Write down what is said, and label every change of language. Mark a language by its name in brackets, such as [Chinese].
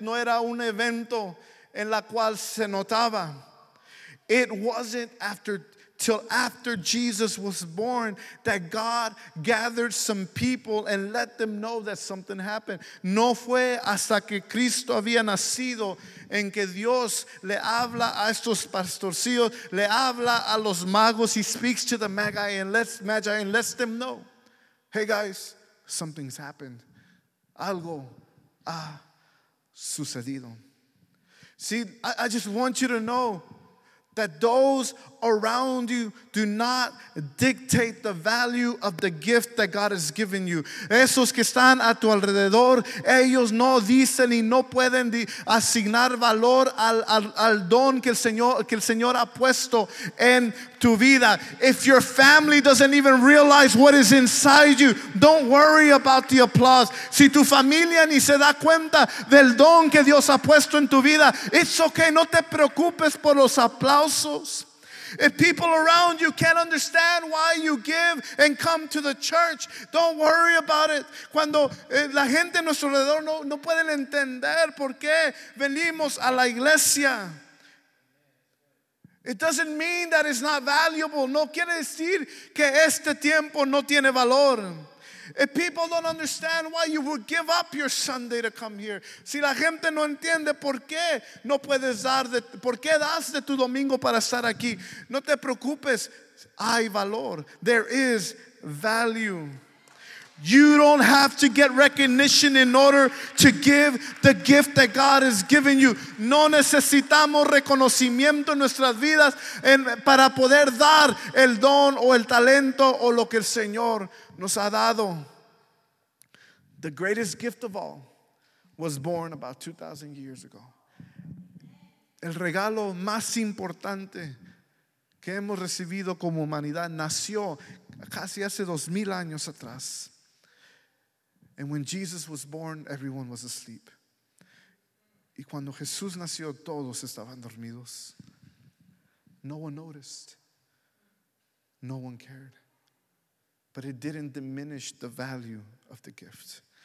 [Spanish] No era un evento en la cual se notaba. [English] It wasn't till after Jesus was born that God gathered some people and let them know that something happened. [Spanish] No fue hasta que Cristo había nacido en que Dios le habla a estos pastorcillos, le habla a los magos, [English] he speaks to the magi and lets them know, hey guys, something's happened. [Spanish] Algo ha sucedido. [English] See, I just want you to know that those around you do not dictate the value of the gift that God has given you. [Spanish] Esos que están a tu alrededor, ellos no dicen y no pueden asignar valor al don que el Señor ha puesto en tu vida. [English] If your family doesn't even realize what is inside you, don't worry about the applause. [Spanish] Si tu familia ni se da cuenta del don que Dios ha puesto en tu vida, [English] it's okay, [Spanish] no te preocupes por los aplausos. [English] If people around you can't understand why you give and come to the church, don't worry about it. [Spanish] Cuando la gente a nuestro alrededor no pueden entender por qué venimos a la iglesia, [English] it doesn't mean that it's not valuable. [Spanish] No quiere decir que este tiempo no tiene valor. [English] If people don't understand why you would give up your Sunday to come here, [Spanish] si la gente no entiende por qué das de tu domingo para estar aquí, no te preocupes, hay valor. [English] There is value. You don't have to get recognition in order to give the gift that God has given you. [Spanish] No necesitamos reconocimiento en nuestras vidas para poder dar el don o el talento o lo que el Señor nos ha dado. [English] The greatest gift of all was born about 2,000 years ago. [Spanish] El regalo más importante que hemos recibido como humanidad nació casi hace 2,000 años atrás. [English] And when Jesus was born, everyone was asleep. [Spanish] Y cuando Jesús nació, todos estaban dormidos. [English] No one noticed. No one cared. But it didn't diminish the value of the gift.